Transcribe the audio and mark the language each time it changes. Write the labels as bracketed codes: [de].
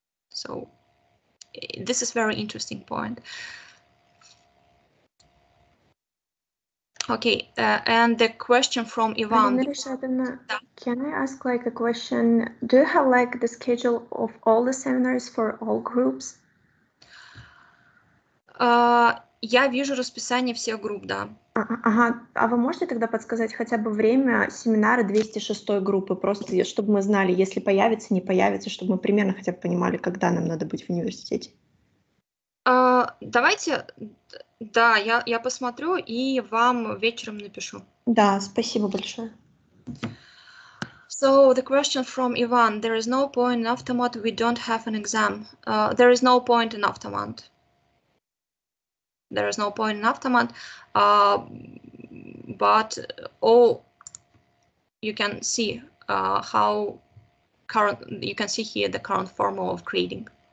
[en] So this is a very interesting point. Okay, and the question from Ivan. Can I ask like a question? Do you have like the schedule of all the seminars for all groups? [ru] Я вижу расписание всех групп, да. Ага, а вы можете тогда подсказать хотя бы время семинара 206 группы, просто чтобы мы знали, если появится, не появится, чтобы мы примерно хотя бы понимали, когда нам надо быть в университете? Давайте, да, я посмотрю и вам вечером напишу. Да, спасибо большое. [en] So, the question from Ivan. There is no point in Automat, we don't have an exam. There is no point in Automat. There is no point in Automat, but all you can see how current, you can see here the current formula of grading.